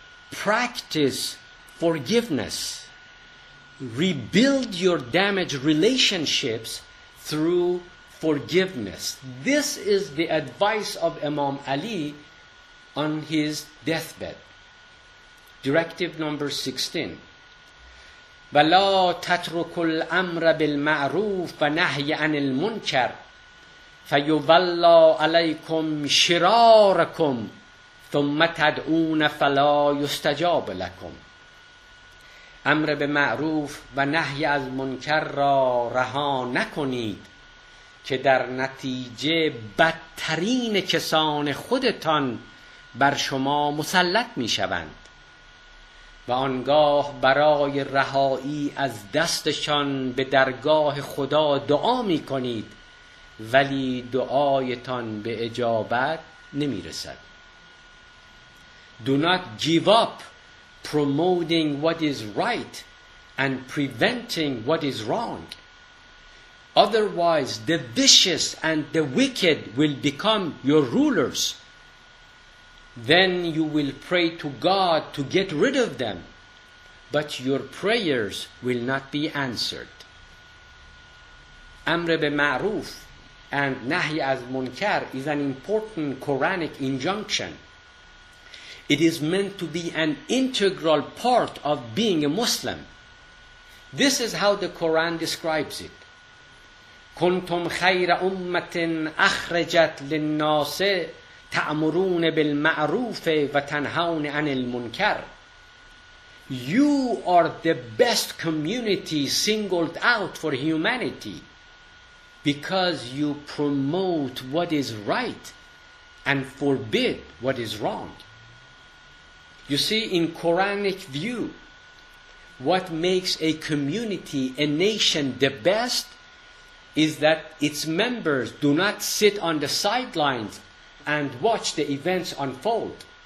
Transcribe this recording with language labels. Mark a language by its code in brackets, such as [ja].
[en] Practice forgiveness. Rebuild your damaged relationships through forgiveness. This is the advice of Imam Ali on his deathbed. Directive number 16. [ar] ولا تترك الامر بالمعروف ونهي عن المنكر فيولى عليكم شراركم ثم تدعون فلا يستجاب لكم. [fa] امر به معروف و نهی از منکر را رها نکنید که در نتیجه بدترین کسان خودتان بر شما مسلط می شوند و آنگاه برای رهایی از دستشان به درگاه خدا دعا می کنید، ولی دعایتان به اجابت نمی رسد. [en] Do not give up promoting what is right and preventing what is wrong. Otherwise, the vicious and the wicked will become your rulers. Then you will pray to God to get rid of them, but your prayers will not be answered. امر به معروف and نهی از منکر is an important Quranic injunction. It is meant to be an integral part of being a Muslim. This is how the Quran describes it. [ar] كنتم خير أمة أخرجت للناس تأمرون بالمعروف وتنهون عن المنكر. [en] You are the best community singled out for humanity because you promote what is right and forbid what is wrong. You see, in Quranic view, what makes a community, a nation, the best is that its members do not sit on the sidelines and watch the events unfold.